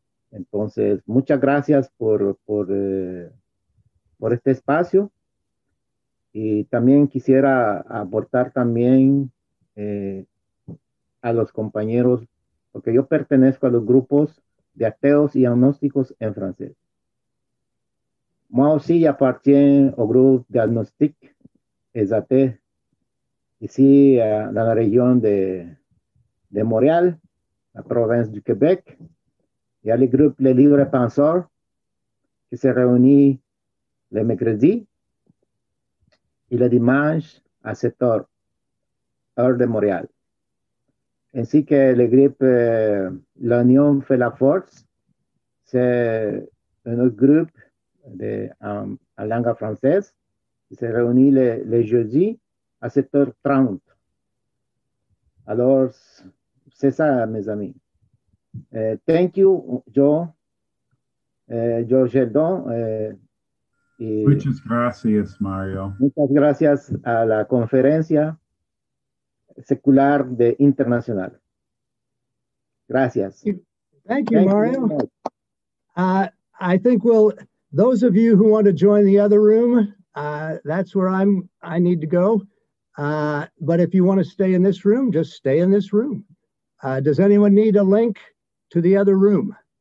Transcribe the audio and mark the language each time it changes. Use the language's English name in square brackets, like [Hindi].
[Spanish] Entonces, muchas gracias por este espacio. Y también quisiera aportar también a los compañeros, porque yo pertenezco a los grupos de ateos y agnósticos en francés. [French] Moi aussi j'appartiens au groupe d'agnostique et athée, ici dans la région de Montréal, la province du Québec. Il y a le groupe Les Libres Penseurs qui se réunit le mercredi et le dimanche à 7h, heure de Montréal. Ainsi que le groupe L'Union fait la force, c'est un autre groupe en langue française qui se réunit le jeudi à 7h30. Alors, c'est ça, mes amis. [English] Thank you, Joe. Joe Sheldon. [Spanish] Muchas gracias, Mario. Muchas gracias a la conferencia secular de internacional. Gracias. [English] Thank you, Mario. I think we'll, those of you who want to join the other room, that's where I need to go. But if you want to stay in this room, just stay in this room. Does anyone need a link to the other room?